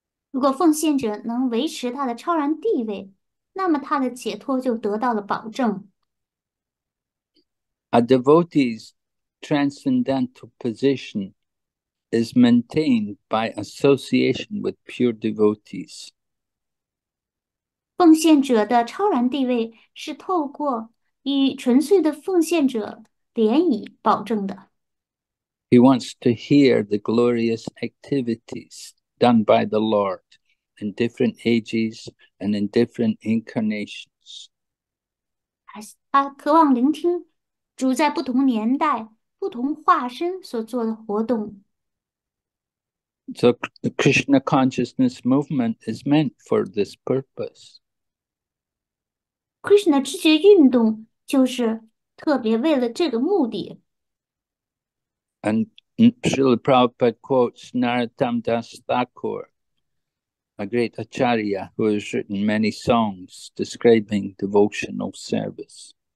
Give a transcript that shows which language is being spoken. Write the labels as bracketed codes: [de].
[zh] 如果奉献者能维持他的超然地位，那么他的解脱就得到了保证。 [en] A devotee's transcendental position is maintained by association with pure devotees. [zh] 奉献者的超然地位是透过与纯粹的奉献者联谊保证的。 [en] He wants to hear the glorious activities done by the Lord in different ages and in different incarnations. [zh] 他渴望聆听主在不同年代、不同化身所做的活动。 [en] So the Krishna consciousness movement is meant for this purpose. [zh] Krishna 知觉运动就是特别为了这个目的。 [en] And Srila Prabhupada quotes Narottam Das Thakur, a great acharya who has written many songs describing devotional service.